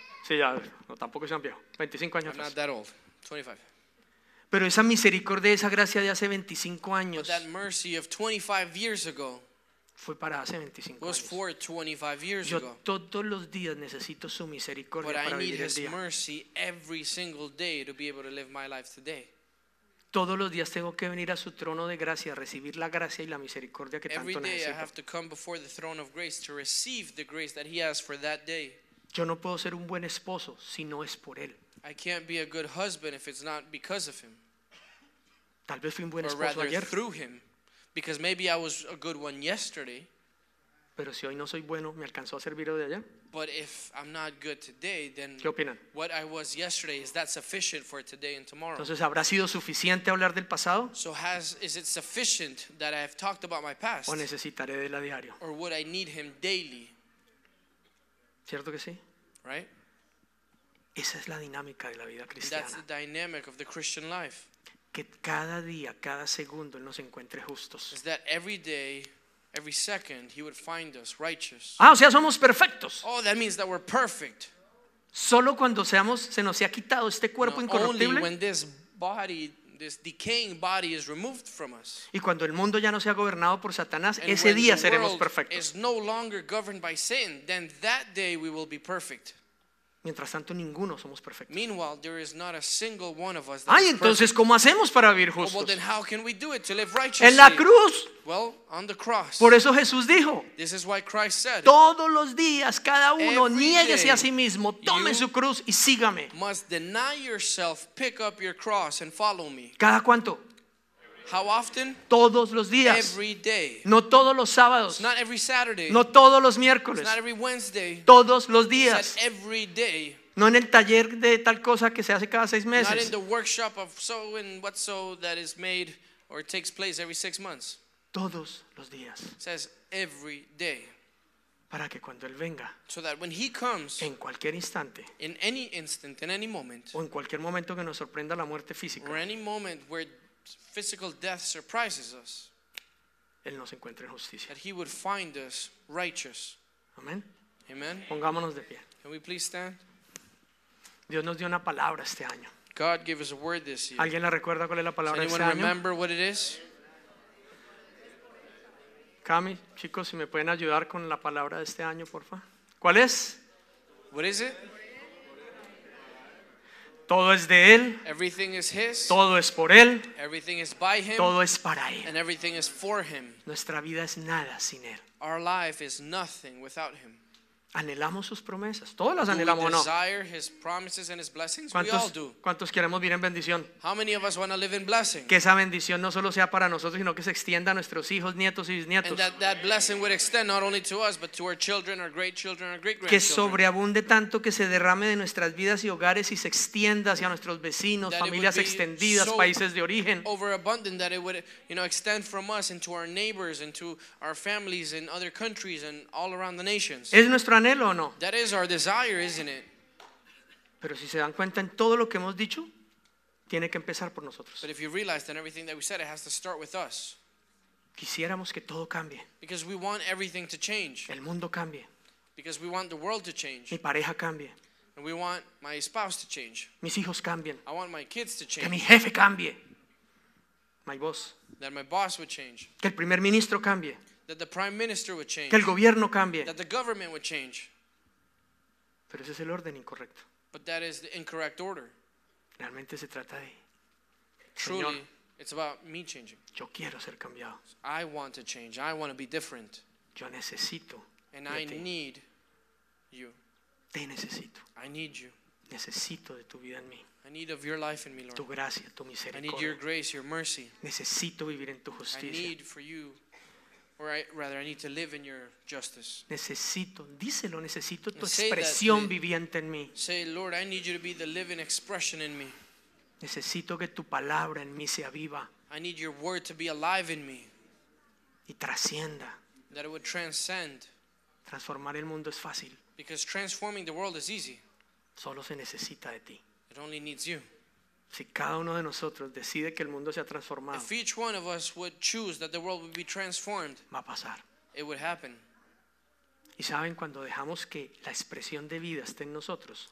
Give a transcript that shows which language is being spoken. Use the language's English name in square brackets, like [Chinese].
[Spanish] Sí, ya, no, tampoco sean viejos. 25 años. [English] I'm not that old. 25. [Spanish] Pero esa misericordia, esa gracia de hace 25 años. [English] But that mercy of 25 years ago. [Spanish] Fue para hace 25 años. [English] Was for 25 years [Spanish] ago. Yo todos los días necesito su misericordia para vivir el [English] día. But I need his mercy every single day to be able to live my life today. [Spanish] Todos los días tengo que venir a su trono de gracia, recibir la gracia y la misericordia que tanto necesito. [English] Every day I have to come before the throne of grace to receive the grace that he has for that day. [Spanish] Yo no puedo ser un buen esposo si no es por él. [English] I can't be a good husband if it's not because of him. [Spanish] Tal vez fui un buen esposo ayer. [English] Or rather through him. Because maybe I was a good one yesterday. [Spanish] Pero si hoy no soy bueno, ¿me alcanzó a servir de allá? [English] But if I'm not good today, then [Spanish] ¿qué opinan? [English] What I was yesterday, is that sufficient for today and tomorrow? [Spanish] Entonces, ¿habrá sido suficiente hablar del pasado? [English] So is it sufficient that I have talked about my past? [Spanish] ¿O necesitaré de él a diario? [English] Or would I need him daily? [Spanish] ¿Cierto que sí? [English] Right? [Spanish] Esa es la dinámica de la vida cristiana. [English] That's the dynamic of the Christian life. [Spanish] Que cada día, cada segundo, él nos encuentre justos. [English] Is that every day, every second, he would find us righteous. [Spanish] Ah, o sea, somos perfectos. [English] Oh, that means that we're perfect. [Spanish] Solo cuando se nos ha quitado este cuerpo incorruptible. [English] Only when this body, this decaying body is removed from us. [Spanish] Y cuando el mundo ya no sea gobernado por Satanás, ese día seremos perfectos. [English] And when the world is no longer governed by Satan, then that day we will be perfect. [Spanish] Mientras tanto, ninguno somos perfectos. [English] Meanwhile, there is not a single one of us. [Spanish] Ay, entonces, ¿cómo hacemos para vivir justos? [English] Well, then how can we do it to live righteously? [Spanish] En la cruz. [English] Well, on the cross. [Spanish] Por eso Jesús dijo. [English] This is why Christ said. [Spanish] Todos los días, cada uno, niéguese a sí mismo, tome su cruz y sígame. [English] Must deny yourself, pick up your cross and follow me. [Spanish] ¿Cada cuánto? [English] How often? [Spanish] Todos los días. [English] Every day. [Spanish] No todos los sábados. [English] Not every Saturday. [Spanish] No todos los miércoles. [English] Not every Wednesday. [Spanish] Todos los días. [English] Not every day. [Spanish] No en el taller de tal cosa que se hace cada seis meses. [English] Not in the workshop of so and what so that is made or takes place every six months. [Spanish] Todos los días. [English] It says every day. [Spanish] Para que cuando él venga. [English] So that when he comes. [Spanish] En cualquier instante. [English] In any instant, in any moment. [Spanish] O en cualquier momento que nos sorprenda la muerte física. [English] Or any moment where physical death surprises us. [Spanish] Él nos encuentra en justicia. [English] That he would find us righteous. [Spanish] Amen. [English] Amen. [Spanish] Pongámonos de pie. [English] Can we please stand? [Spanish] Dios nos dio una palabra este año. [English] God gave us a word this year. [Spanish] ¿Alguien la recuerda cuál es la palabra este año? [English] Anyone remember what it is? [Spanish] Cami, chicos, si me pueden ayudar con la palabra de este año, porfa. ¿Cuál es? [English] What is it? [Spanish] Todo es de él. [English] Everything is his. [Spanish] Todo es por él. [English] Everything is by him. [Spanish] Todo es para él. [English] And everything is for him. [Spanish] Nuestra vida es nada sin él. [English] Our life is nothing without him. [Spanish] Anhelamos sus promesas. Todos las anhelamos, [English] ¿no? Do we desire his promises and his blessings? We all do. [Spanish] ¿Cuántos queremos vivir en bendición? [English] How many of us want to live in blessing? [Spanish] Que esa bendición no solo sea para nosotros, sino que se extienda a nuestros hijos, nietos y bisnietos. [English] And that blessing would extend not only to us, but to our children, our great children, our great grandchildren. [Spanish] Que sobreabunde tanto que se derrame de nuestras vidas y hogares y se extienda hacia nuestros vecinos, familias extendidas, países de origen. [English] Overabundant that it would, you know, extend from us into our neighbors, into our families in other countries and all around the nations. [Spanish] Es nuestro anhelo, ¿no? [English] That is our desire, isn't it? [Spanish] Pero si se dan cuenta en todo lo que hemos dicho, tiene que empezar por nosotros. [English] But if you realize then everything that we said, it has to start with us. [Spanish] Quisiéramos que todo cambie. [English] Because we want everything to change. [Spanish] El mundo cambie. [English] Because we want the world to change. [Spanish] Mi pareja cambie. [English] And we want my spouse to change. [Spanish] Mis hijos cambien. [English] I want my kids to change. [Spanish] Que mi jefe cambie. [English] My boss. That my boss would change. [Spanish] Que el primer ministro cambie. [English] That the prime minister would change. [Spanish] Que el gobierno cambie. [English] That the government would change. [Spanish] Pero ese es el orden incorrecto. [English] But that is the incorrect order. [Spanish] Realmente se trata de... [English] Truly, [Spanish] Señor, [English] it's about me changing. [Spanish] Yo quiero ser cambiado. [English] I want to change. I want to be different. [Spanish] Yo necesito. [English] And I need you. [Spanish] Te necesito. [English] I need you. [Spanish] Necesito de tu vida en mí. [English] I need of your life in me, Lord. [Spanish] Tu gracia, tu misericordia. [English] I need your grace, your mercy. [Spanish] Necesito vivir en tu justicia. [English] I need for you. Or rather, I need to live in your justice. [Spanish] Necesito, díselo, necesito tu expresión viviente en mí. [English] Say, Lord, I need you to be the living expression in me. [Spanish] Necesito que tu palabra en mí sea viva. [English] I need your word to be alive in me. [Spanish] Y trascienda. [English] That it would transcend. [Spanish] Transformar el mundo es fácil. [English] Because transforming the world is easy. [Spanish] Solo se necesita de ti. [English] It only needs you. [Spanish] Si cada uno de nosotros decide que el mundo sea transformado, [English] if each one of us would choose that the world would be transformed, [Spanish] va a pasar. [English] It would happen. [Spanish] Y saben, cuando dejamos que la expresión de vida esté en nosotros,